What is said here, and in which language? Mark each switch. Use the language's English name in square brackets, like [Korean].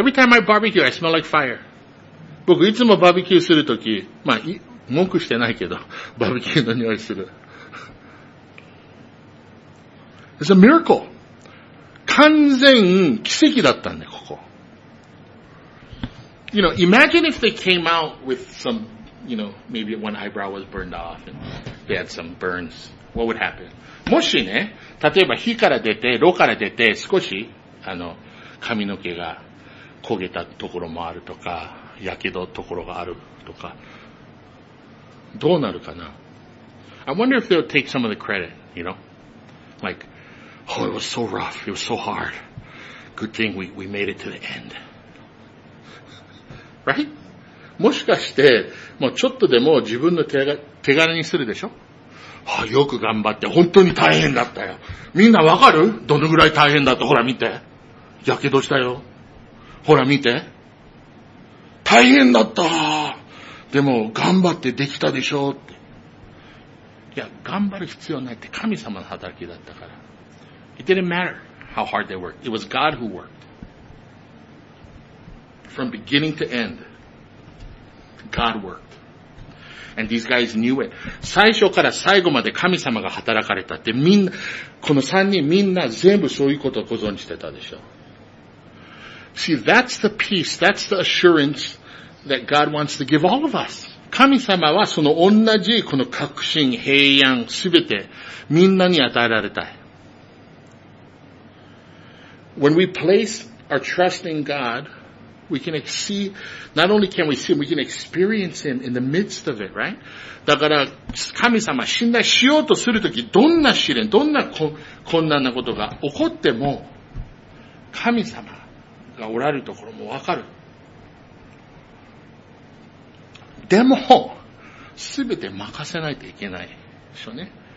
[English] Every time I barbecue, I smell like fire. [Japanese] 僕、いつもバーベキューするとき、まあ、文句してないけど、バーベキューの匂いする。 [English] It's a miracle. [Japanese] 完全奇跡だったね、ここ。 [English] You know, imagine if they came out with some, you know, maybe one eyebrow was burned off and they had some burns. What would happen? [Japanese] もしね、例えば火から出て、炉から出て、少し、髪の毛が焦げたところもあるとか、やけどところがあるとか、どうなるかな [English] ?I wonder if they'll take some of the credit, you know? Like, oh, it was so rough, it was so hard. Good thing we made it to the end. Right? [Japanese] もしかして、もうちょっとでも自分の手柄にするでしょ? はあ、よく頑張って、本当に大変だったよ。みんなわかる? どのぐらい大変だった?ほら見て。やけどしたよ。ほら見て。大変だった。でも、頑張ってできたでしょって。いや、頑張る必要ないって神様の働きだったから。 [English] It didn't matter how hard they worked. It was God who worked. From beginning to end, God worked. And these guys knew it. [Japanese] 最初から最後まで神様が働かれたってみんな、この三人みんな全部そういうことをご存知してたでしょ。 [English] See, that's the peace, that's the assurance that God wants to give all of us. [Japanese] 神様はその同じこの確信、平安、すべてみんなに与えられたい。 [English] When we place our trust in God,We can see, not only can we see him, we can experience him in the midst of it, right? [Japanese] だから、神様信頼しようとするとき、どんな試練、どんな困難なことが起こっても、神様がおられるところもわかる。でも、すべて任せないといけないでしょうね。